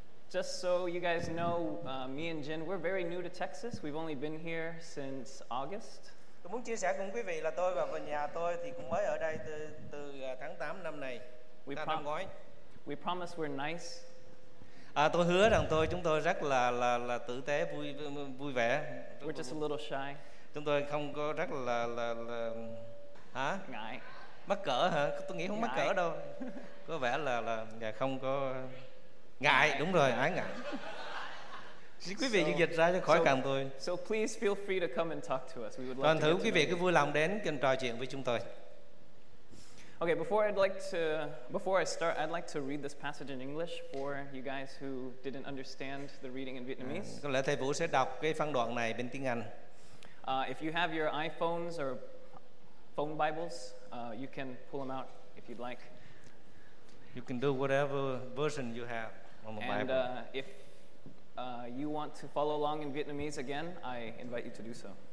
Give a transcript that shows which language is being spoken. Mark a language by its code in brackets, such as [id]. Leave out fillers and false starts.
[en] Just so you guys know, me and Jin, we're very new to Texas. We've only been here since August. [vi] Tôi muốn chia sẻ cùng quý vị là tôi và vợ nhà tôi thì cũng mới ở đây từ tháng 8 năm nay. [en] We promise we're nice. [vi] Tôi hứa rằng chúng tôi rất là tử tế, vui vẻ. [en] We're just a little shy. [vi] Chúng tôi không có rất là hả? Ngại. Mắc cỡ hả? Tôi nghĩ không mắc cỡ đâu. Có vẻ là không có ngại, đúng rồi, ái ngại. Quý vị dịch ra cho khỏi càng tôi. [en] So please feel free to come and talk to us. We would love to. [vi] Quý vị cứ vui lòng đến kênh trò chuyện với chúng tôi. [en] Okay, before I start, I'd like to read this passage in English for you guys who didn't understand the reading in Vietnamese. [vi] Có lẽ thầy Vũ sẽ đọc cái phân đoạn này bên tiếng Anh. [en] If you have your iPhones or phone Bibles, you can pull them out if you'd like. You can do whatever version you have on the and, Bible. And if you want to follow along in Vietnamese again, I invite you to do so.